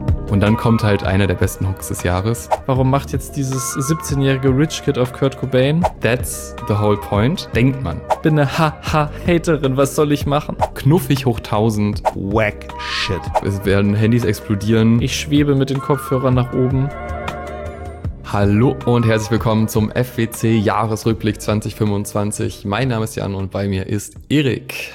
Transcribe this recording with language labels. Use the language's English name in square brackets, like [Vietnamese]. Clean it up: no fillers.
[German] Und dann kommt halt einer der besten Hooks des Jahres. Warum macht jetzt dieses 17-jährige Rich Kid auf Kurt Cobain? [English] That's the whole point, [German] denkt man. Bin eine Ha-Ha-Haterin, was soll ich machen? Knuffig hoch 1000. [English] Whack shit. [German] Es werden Handys explodieren. Ich schwebe mit den Kopfhörern nach oben. Hallo und herzlich willkommen zum FWC Jahresrückblick 2025. Mein Name ist Jan und bei mir ist Erik.